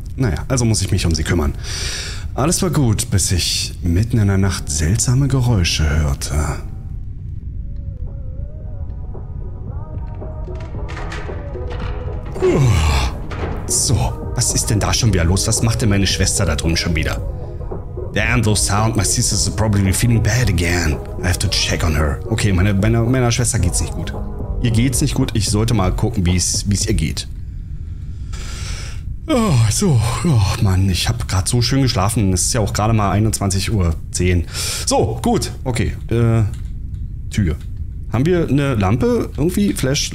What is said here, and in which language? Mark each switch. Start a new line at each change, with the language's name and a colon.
German: Naja, also muss ich mich um sie kümmern. Alles war gut, bis ich mitten in der Nacht seltsame Geräusche hörte. So, was ist denn da schon wieder los? Was macht denn meine Schwester da drum schon wieder?
English: Damn, those sound. My sister's probably feeling bad again. I have to check on her.
German: Okay, meiner Schwester geht's nicht gut. Ihr geht's nicht gut. Ich sollte mal gucken, wie es ihr geht. Oh, so. Oh Mann, ich habe gerade so schön geschlafen. Es ist ja auch gerade mal 21.10 Uhr. So, gut. Okay. Tür. Haben wir eine Lampe? Irgendwie? Flash?